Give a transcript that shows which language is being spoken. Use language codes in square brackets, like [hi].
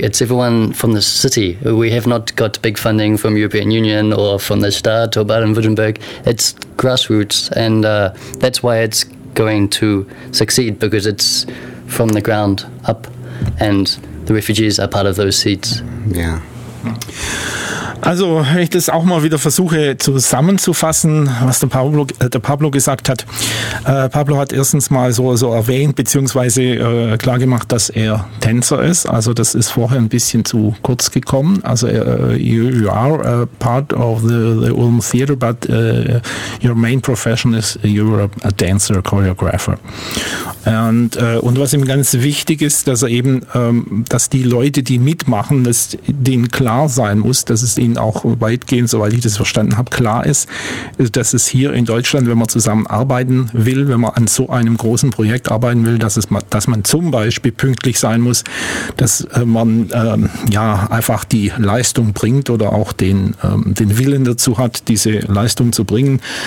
[en] It's everyone from the city. We have not got big funding from European Union or from the Stadt or Baden-Württemberg. It's grassroots, and that's why it's going to succeed, because it's from the ground up, and the refugees are part of those seeds. Yeah. [de] Also, wenn ich das auch mal wieder versuche zusammenzufassen, was der Pablo gesagt hat. Pablo hat erstens mal so erwähnt, beziehungsweise klargemacht, dass er Tänzer ist. Also das ist vorher ein bisschen zu kurz gekommen. [en] Also you are a part of the Ulm Theater, but your main profession is you're a dancer, a choreographer. [de] Und was ihm ganz wichtig ist, dass er eben, dass die Leute, die mitmachen, dass denen klar sein muss, dass es ihnen auch weitgehend, soweit ich das verstanden habe, klar ist, dass es hier in Deutschland, wenn man zusammenarbeiten will, wenn man an so einem großen Projekt arbeiten will, dass man zum Beispiel pünktlich sein muss, dass man ja einfach die Leistung bringt oder auch den Willen dazu hat, diese Leistung zu bringen.